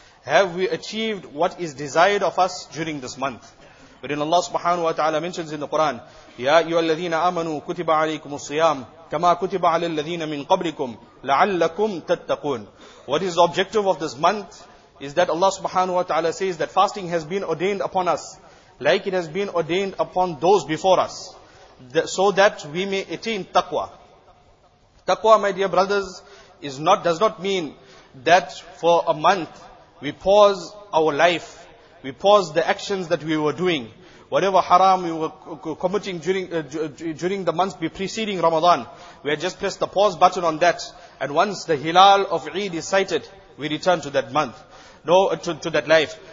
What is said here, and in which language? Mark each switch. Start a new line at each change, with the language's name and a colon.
English: Have we achieved what is desired of us during this month? Wherein Allah subhanahu wa ta'ala mentions in the Quran,
Arabic: يَا أَيُّهَا الَّذِينَ آمَنُوا كُتِبَ عَلَيْكُمُ الصِّيَامُ كَمَا كُتِبَ عَلَى الَّذِينَ مِنْ قَبْلِكُمْ لَعَلَّكُمْ تَتَّقُونَ.
English: What is the objective of this month? Is that Allah subhanahu wa ta'ala says that fasting has been ordained upon us, like it has been ordained upon those before us, so that we may attain taqwa. Taqwa, my dear brothers, does not mean that for a month we pause our life, we pause the actions that we were doing, whatever haram we were committing during the month preceding Ramadan, we had just pressed the pause button on that, and once the hilal of Eid is sighted, we return to that month, to that life.